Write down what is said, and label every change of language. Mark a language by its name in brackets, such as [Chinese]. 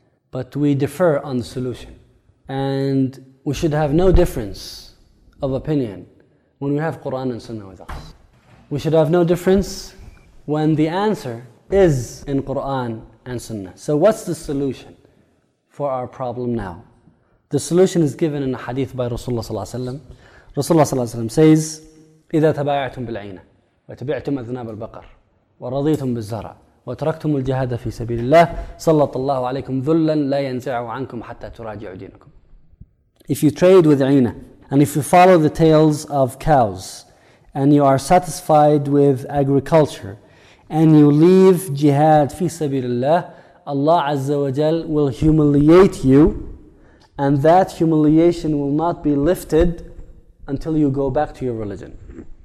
[English] But we differ on the solution. And we should have no difference of opinion when we have Quran and Sunnah with us. We should have no difference when the answer is in Quran and Sunnah. So what's the solution for our problem now? The solution is given in a hadith by Rasulullah sallallahu alaihi wasallam. [Arabic] Rasulullah sallallahu alaihi wasallam [English] says, [Arabic] إِذَا تَبَاعَتُمْ بِالْعِينَ وَتَبِعْتُمْ أَذْنَابَ الْبَقَرِ وَرَضِيتُمْ بِالزَّرَعِ وَتَرَكْتُمُ الْجِهَادَ فِي سَبِيلِ اللَّهِ صَلَّطَ اللَّهُ عَلَيْكُمْ ذُلًّا لَا يَنْزِعُ عَنْكُمْ حَتَّى تُرَاجِعُ دِينَكُمْ. [English] If you trade with عِينَة, and if you follow the tails of cows, and you are satisfied with agriculture, and you leave jihad فِي سَبِيلِ اللَّهِ, Allah Azza wa Jal will humiliate you, and that humiliation will not be lifted until you go back to your religion.